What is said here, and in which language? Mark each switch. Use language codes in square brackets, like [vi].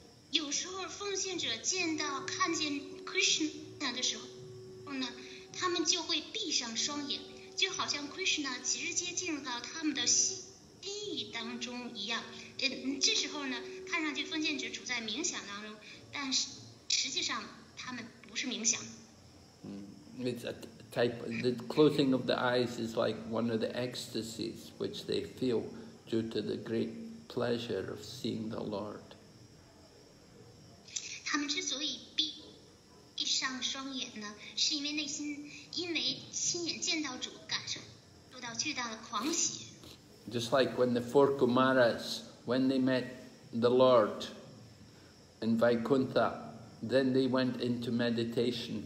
[zh] 有时候奉献者见到看见 Krishna 的时候呢，他们就会闭上双眼，就好像 Krishna 直接进入到他们的心意当中一样。这时候呢，看上去奉献者处在冥想当中，但实际上他们不是冥想。 [en] It's a type. The closing of the eyes is like one of the ecstasies which they feel due to the great pleasure of seeing the Lord. [zh] 他们之所以闭上双眼呢，是因为内心因为亲眼见到主，感受到巨大的狂喜。 [en] Just like when the four Kumaras, when they met the Lord in Vaikuntha, then they went into meditation.